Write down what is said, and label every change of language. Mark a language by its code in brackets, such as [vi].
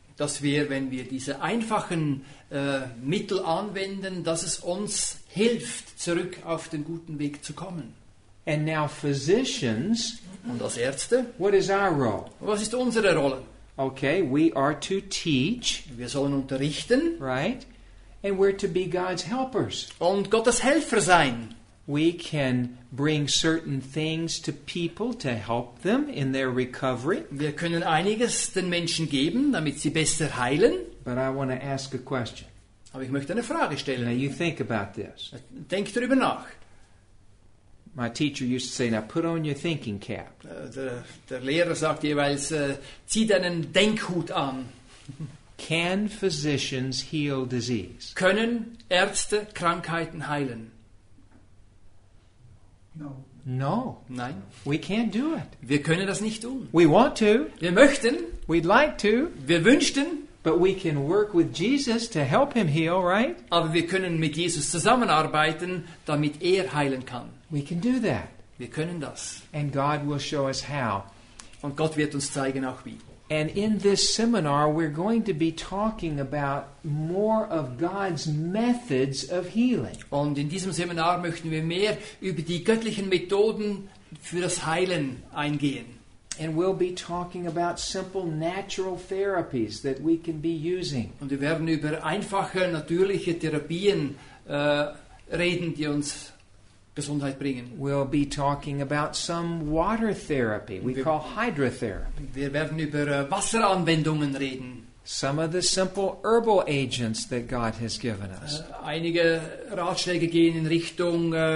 [de] Dass wir, wenn wir diese einfachen Mittel anwenden, dass es uns hilft, zurück auf den guten Weg zu kommen. [en] And now physicians, [de] und als Ärzte, [en] what is our role? [de] Was ist unsere Rolle? [en] Okay, we are to teach. [de] Wir sollen unterrichten. [en] Right? And we're to be God's helpers. [de] Und Gottes Helfer sein. [en] We can bring certain things to people to help them in their recovery. [de] Wir können einiges den Menschen geben, damit sie besser heilen. [en] But I want to ask a question. [de] Aber ich möchte eine Frage stellen. [en] Now you think about this. [de] Denk darüber nach. [en] My teacher used to say, now put on your thinking cap. [de] Der Lehrer sagt jeweils, zieh deinen Denkhut an. [en] Can physicians heal disease? [de] Können Ärzte Krankheiten heilen? [en] No. No. [de] Nein. [en] We can't do it. [de] Wir können das nicht tun. [en] We want to. [de] Wir möchten. [en] We'd like to. [de] Wir wünschten. [en] But we can work with Jesus to help him heal, right? [de] Aber wir können mit Jesus zusammenarbeiten, damit er heilen kann. [en] We can do that. [de] Wir können das. [en] And God will show us how. [de] Und Gott wird uns zeigen auch wie. [en] And in this seminar, we're going to be talking about more of God's methods of healing. [de] Und in diesem Seminar möchten wir mehr über die göttlichen Methoden für das Heilen eingehen. [en] And we'll be talking about simple natural therapies that we can be using. [de] Und wir werden über einfache natürliche Therapien reden, die uns Gesundheit bringen. [en] We'll be talking about some water therapy we call hydrotherapy. [de] Wir werden über Wasseranwendungen reden. [en] Some of the simple herbal agents that God has given us. [de] Einige Ratschläge gehen in Richtung